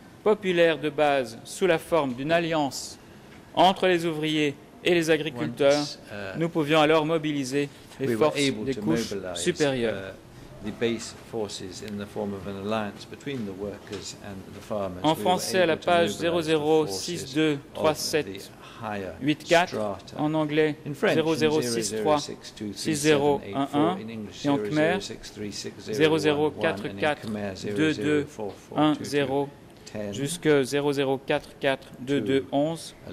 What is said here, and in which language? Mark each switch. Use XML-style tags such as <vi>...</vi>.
<fr>populaire de base sous la forme d'une alliance entre les ouvriers et les agriculteurs, nous pouvions alors mobiliser les forces des couches supérieures.</fr> <en>The base forces in the form of an alliance between the workers and the farmers.</en> <fr>En français, à la page 00623784, en anglais 00636011, et en khmer 00442210 jusque 00442211.</fr>